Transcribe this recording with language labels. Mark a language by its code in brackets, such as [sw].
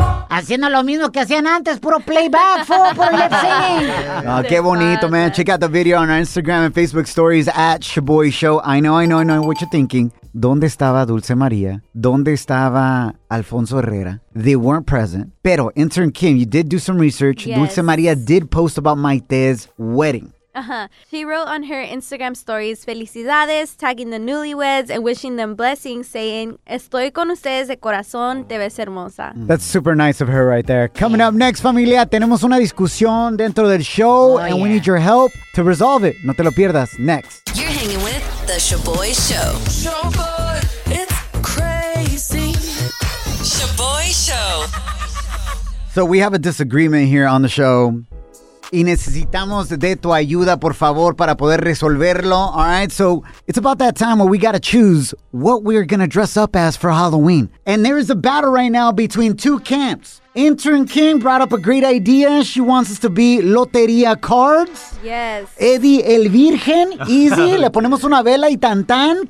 [es] Haciendo lo mismo que hacían antes, puro playback, puro lip singing. Oh, qué bonito, [en] man. Check out the video on our Instagram and Facebook stories at Shaboy Show. I know what you're thinking. [es] ¿Dónde estaba [en] Dulce María? [es] ¿Dónde estaba [en] Alfonso Herrera? They weren't present. [es] Pero, [en] intern Kim, you did do some research. Yes. Dulce María did post about Maite's wedding. She wrote on her Instagram stories, [es] Felicidades, [en] tagging the newlyweds and wishing them blessings, saying, [es] Estoy con ustedes de corazón, te ves hermosa. [en] That's super nice of her right there. Coming up next, [es] familia, tenemos una discusión dentro del show, [en] we need your help to resolve it. [es] No te lo pierdas. [en] Next. You're hanging with The Shaboy Show. Shaboy, it's crazy. Shaboy Show. So we have a disagreement here on the show. [es] Y necesitamos de tu ayuda, por favor, para poder resolverlo. [en] All right, so it's about that time where we got to choose what we are going to dress up as for Halloween. And there is a battle right now between two camps. Intern King brought up a great idea. She wants us to be lotería cards. Yes. [es] Eddie el Virgen. Easy. Le ponemos una vela y tantán.